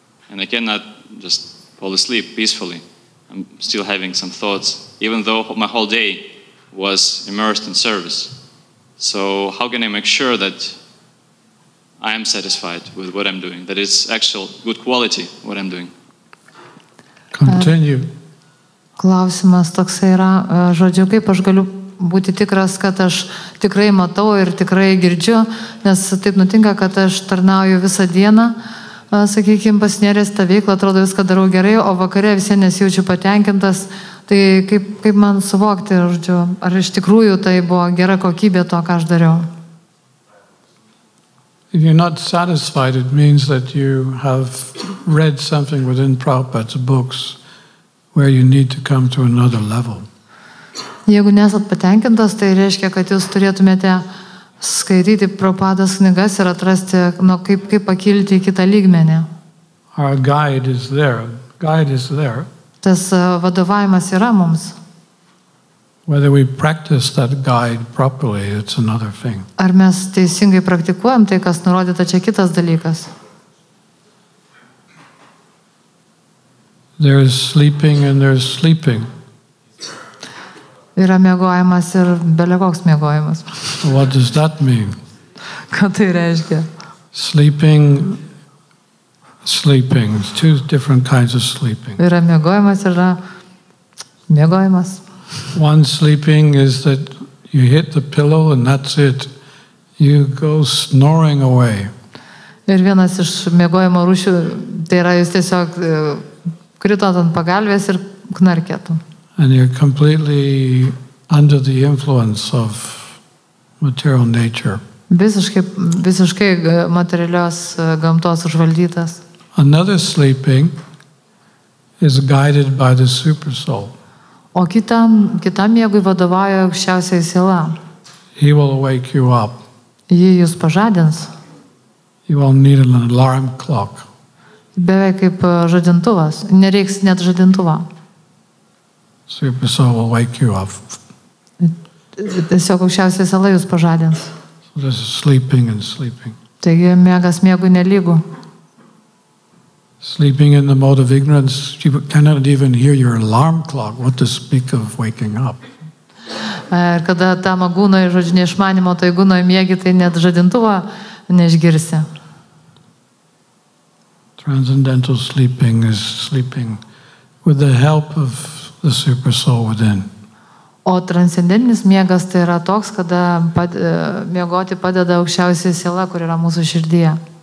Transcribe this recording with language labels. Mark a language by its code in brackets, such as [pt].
[en] And I cannot just fall asleep peacefully. I'm still having some thoughts, even though my whole day was immersed in service. So how can I make sure that I am satisfied with what I'm doing, that it's actual good quality what I'm doing? Continue. [lt] Klausimas toksai yra, žodžiu, kaip aš galiu būti tikras, kad aš tikrai matau ir tikrai girdžiu, nes taip nutinka, kad aš tarnauju visą dieną, sakykime, pasinėrės tą veiklą, atrodo viską darau gerai, o vakare visiems nesijaučiu patenkintas. Tai kaip man suvokti, žodžiu, ar iš tikrųjų tai buvo gera kokybė to, ką aš dariau? [en] If you're not satisfied, it means that you have read something within Prabhupada's books where you need to come to another level. [lt] Jeigu nesat patenkintas, tai reiškia, kad jūs turėtumėte skaityti Prabhupados knygas ir atrasti, nu, kaip pakilti į kitą lygmenį. [en] Our guide is there. Guide is there. [lt] Tas vadovavimas yra mums. [en] Whether we practice that guide properly, it's another thing. [lt] Ar mes teisingai praktikuojam tai, kas nurodyta, čia kitas dalykas. [en] There is sleeping and there is sleeping. [lt] Yra miegojimas ir belekoks miegojimas. [en] What does that mean? [lt] Ką tai reiškia? [en] Sleeping. It's two different kinds of sleeping. [lt] Yra miegojimas ir yra miegojimas. [en] One sleeping is that you hit the pillow and that's it. You go snoring away. [lt] Ir vienas iš miegojimo rūšių, tai yra jūs tiesiog kritot ant pagalvės ir knarkėtum. [en] And you're completely under the influence of material nature. [lt] Visiškai materialios gamtos užvaldytas. [en] Another sleeping is guided by the super soul. [lt] O kitam miegui vadovauja aukščiausiai siela. [en] He will wake you up. [lt] Ji jūs pažadins. [en] You will need an alarm clock. [lt] Beveik kaip žadintuvas. Nereiks net žadintuvą. [en] Super soul will wake you up. [lt] Tiesiog aukščiausiai siela jūs pažadins. [en] So this is sleeping and sleeping. [lt] Taigi miegas miegui nelygu. [en] Sleeping in the mode of ignorance, you cannot even hear your alarm clock, what to speak of waking up. [lt] Ir kada tam agūnoj, žodžiu, neišmanimo, tai agūnoj miegi, tai net žadintuvo neišgirsi. [en] Transcendental sleeping is sleeping with the help of the super soul within. [lt] O transcendentinis miegas tai yra toks, kada miegoti padeda aukščiausia siela, kur yra mūsų širdyje.